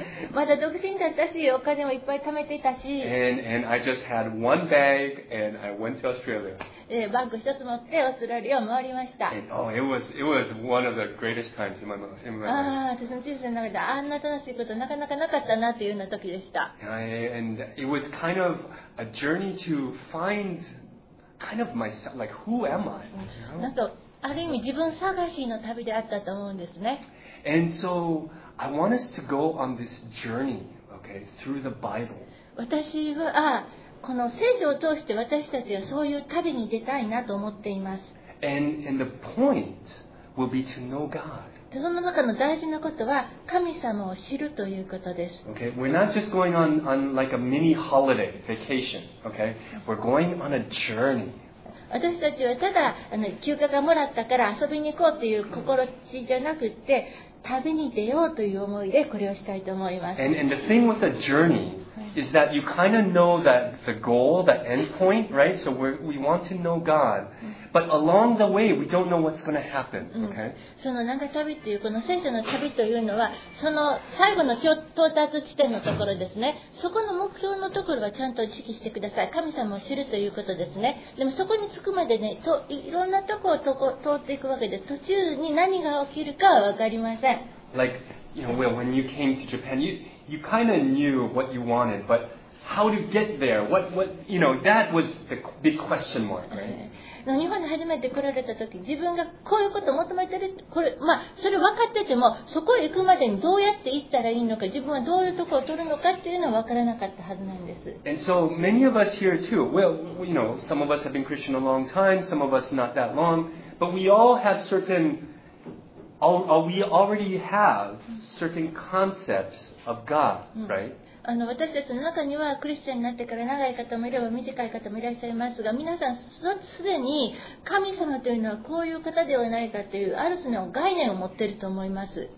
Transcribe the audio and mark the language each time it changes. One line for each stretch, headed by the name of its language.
Japanese: まだ独身だったし、お金もいっぱい貯めていたし。
English: And I just had one bag and I went to Australia.
Japanese: バッグ一つ持ってオーストラリアを回りました。
English: It was one of the greatest times in my life.
Japanese: 私の人生の中であんな楽しいことなかなかなかったなというような時でした。
English: And it was kind of a journey to find kind of myself, like who am I?
Japanese: なんかある意味自分探しの旅であったと思うんですね。
English: And so,I want us to go on this journey, okay, through the Bible.
Japanese: 私はこの聖書を通して私たちはそういう旅に出たいなと思っています。
English: And the point will be to know God.
Japanese: その中の大事なことは神様を知るということです。
English: Okay, we're not just going on like a mini holiday vacation, okay? We're going on a journey.
Japanese: 私たちはただ休暇がもらったから遊びに行こうという心地じゃなくて、旅に出ようという思いでこれをしたいと思います。
English: And the thing with the journey is that you kind of know that the goal, the end point, right? So we want to know God. But along the way, we don't know what's going to happen, okay?
Japanese: その長旅という、この聖書の旅というのは、その最後の到達地点のところですね。そこの目標のところはちゃんと意識してください。神様を知るということですね。でもそこに着くまでね、いろんなところを通っていくわけです。途中に何が起きるかは分かりません。
English: Like, you know, when you came to Japan, you kind of knew what you wanted, but how to get there? What you know, that was the big question mark, right? Okay.
Japanese: 日本に初めて来られた時、自分がこういうことを求めてる、これ、まあ、それ分かってても、そこへ行くまでにどうやって行ったらいいのか、自分はどういうところを取るのかっていうのは分からなかったはずなんです。
English: And so many of us here too, well, you know, some of us have been Christian a long time, some of us not that long, but we all have certain, we already have certain concepts. Of God, right?
Japanese: 私たちの中にはクリスチャンになってから長い方もいれば短い方もいらっしゃいますが、皆さんすでに神様というのはこういう方ではないかというある種の概念を持っていると思います。